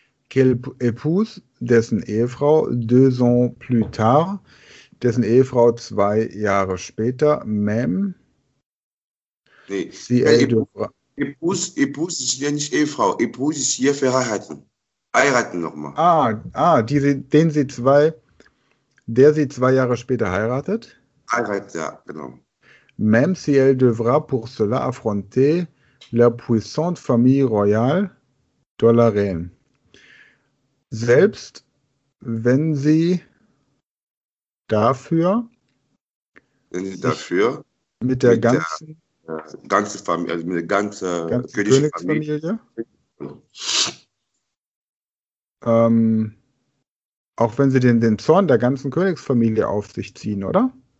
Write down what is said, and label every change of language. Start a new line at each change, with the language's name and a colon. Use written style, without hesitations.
French: Quel épouse,
German: dessen Ehefrau,
French: deux ans plus tard,
German: dessen Ehefrau zwei Jahre später,
French: même.
German: Nee. Sie épouse ist ja nicht Ehefrau. Épouse ist hier verheiraten. Heiraten nochmal. Der sie zwei Jahre später heiratet. Heiratet, ja, genau.
French: Même si elle devra pour cela affronter la puissante famille royale de la reine.
German: Selbst wenn sie dafür, mit der ganzen Familie, also mit der ganzen Königsfamilie, auch wenn sie den Zorn der ganzen Königsfamilie auf sich ziehen, oder?